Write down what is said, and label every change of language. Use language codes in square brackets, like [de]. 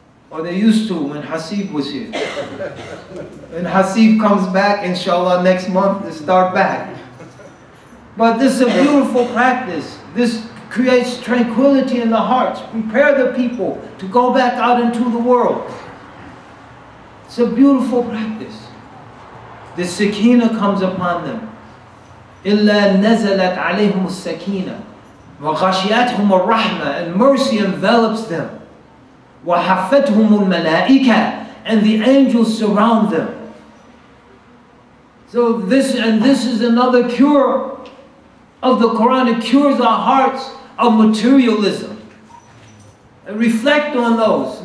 [en] Or they used to when Hasib was here. When Hasib comes back, inshallah, next month, they start back. But this is a beautiful practice. This creates tranquility in the hearts. Prepare the people to go back out into the world. It's a beautiful practice. The sakina comes upon them. [ar] إِلَّا نَزَلَتْ عَلَيْهُمُ السَّكِينَةِ وَغَشِيَتْهُمُ الرَّحْمَةِ And mercy envelops them. [en] وَحَفَّتْهُمُ الْمَلَائِكَةِ And the angels surround them. So this is another cure of the Quran. It cures our hearts of materialism. And reflect on those.